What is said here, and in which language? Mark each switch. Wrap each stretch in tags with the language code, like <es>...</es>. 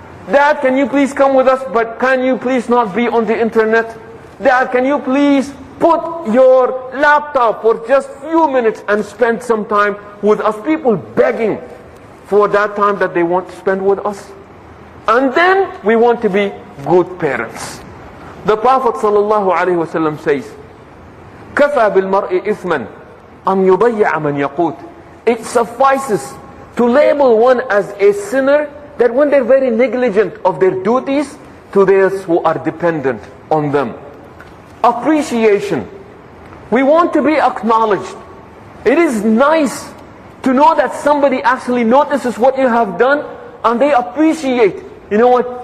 <en>Dad, can you please come with us, but can you please not be on the internet? Dad, can you please put your laptop for just few minutes and spend some time with us?" People begging for that time that they want to spend with us. And then we want to be good parents. The Prophet sallallahu alaihi wasallam says,</en> <ar>كَفَى بِالْمَرْءِ إِثْمًا أَمْ يُضَيَّعَ مَنْ يَقُوتُ.</ar> <en>It suffices to label one as a sinner that when they're very negligent of their duties to those who are dependent on them. Appreciation. We want to be acknowledged. It is nice to know that somebody actually notices what you have done and they appreciate. You know what?</en>